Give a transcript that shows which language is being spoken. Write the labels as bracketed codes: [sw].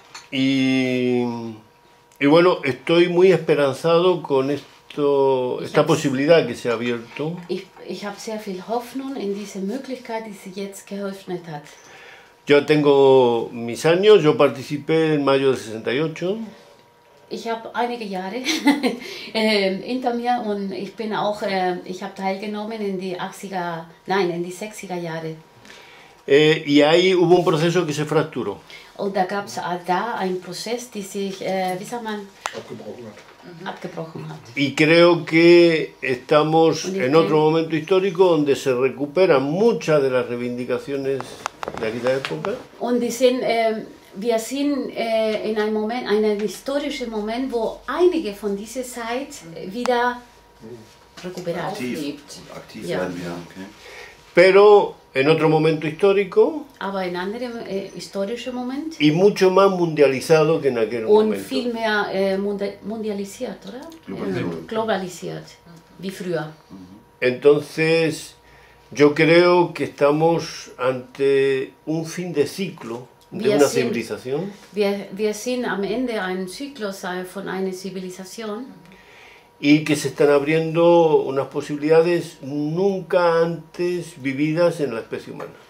[es] Y bueno, estoy muy esperanzado con esta posibilidad que se ha abierto. [de] Ich habe sehr viel Hoffnung in diese Möglichkeit, die sich jetzt geöffnet hat. [es] Yo tengo mis años, yo participé en mayo del 68. [de] Ich habe einige Jahre hinter mir und ich bin auch ich habe teilgenommen in die 60er Jahre. [es] Y ahí hubo un proceso que se fracturó. [de] Und da gab's da einen Prozess, die sich wie sagt man abgebrochen hat. [es] Y creo que estamos en otro momento histórico donde se recuperan muchas de las reivindicaciones de aquella época. [de] Und wir sind in einem Moment, einem historischen Moment, wo einige von dieser Zeit wieder [es] recuperar. [de] Aktiv werden wir, okay. [es] Pero en otro momento histórico. [de] Aber in anderem historischen Moment. [es] Y mucho más mundializado que en aquel [de] und [es] momento. [de] Und viel mehr mundialisiert, oder? Globalisiert, wie früher. [es] Entonces, yo creo que estamos ante un fin de ciclo de una civilización. [de] Wir sind am Ende eines Zyklus von einer Zivilisation. [es] Y que se están abriendo unas posibilidades nunca antes vividas en la especie humana.